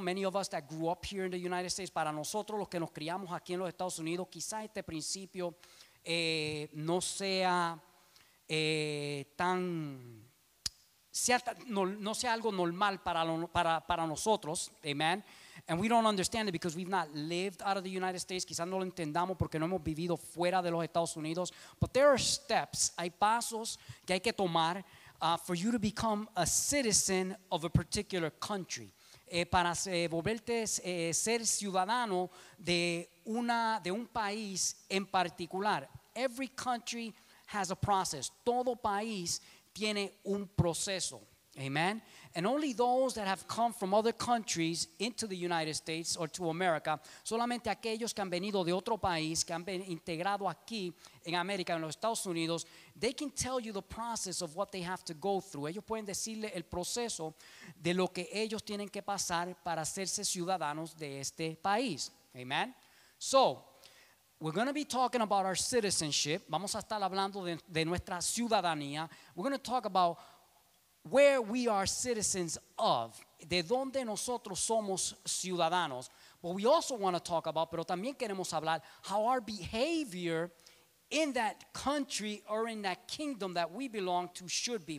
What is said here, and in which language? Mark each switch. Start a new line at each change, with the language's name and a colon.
English: Many of us that grew up here in the United States,
Spanish: para nosotros los que nos criamos aquí en los Estados Unidos, quizá este principio no sea tan cierta, no sea algo normal para nosotros, amen.
English: And we don't understand it because we've not lived out of the United States.
Spanish: Quizás no lo entendamos porque no hemos vivido fuera de los Estados Unidos.
English: But there are steps,
Spanish: hay pasos que hay que tomar
English: for you to become a citizen of a particular country.
Spanish: Para volverte ser ciudadano de un país en particular.
English: Every country has a process.
Spanish: Todo país tiene un proceso.
English: Amen. And only those that have come from other countries into the United States or to America,
Spanish: solamente aquellos que han venido de otro país, que han been integrado aquí en América, en los Estados Unidos,
English: they can tell you the process of what they have to go through.
Spanish: Ellos pueden decirle el proceso de lo que ellos tienen que pasar para hacerse ciudadanos de este país. Amen.
English: So, we're going to be talking about our citizenship.
Spanish: Vamos a estar hablando de nuestra ciudadanía.
English: We're going to talk about where we are citizens of,
Spanish: de donde nosotros somos ciudadanos.
English: But we also want to talk about,
Spanish: pero también queremos hablar,
English: how our behavior in that country or in that kingdom that we belong to should be.